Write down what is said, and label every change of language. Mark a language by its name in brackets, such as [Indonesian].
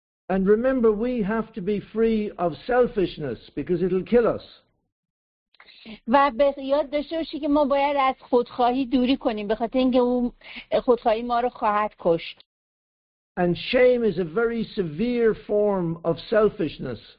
[English] And remember, we have to be free of selfishness because it'll kill us. [Persian] و به یاد داشته باشی که ما باید از خودخواهی دوری کنیم به خاطر اینکه اون خودخواهی ما رو خواهد کشت. [English] And shame is a very severe form of selfishness.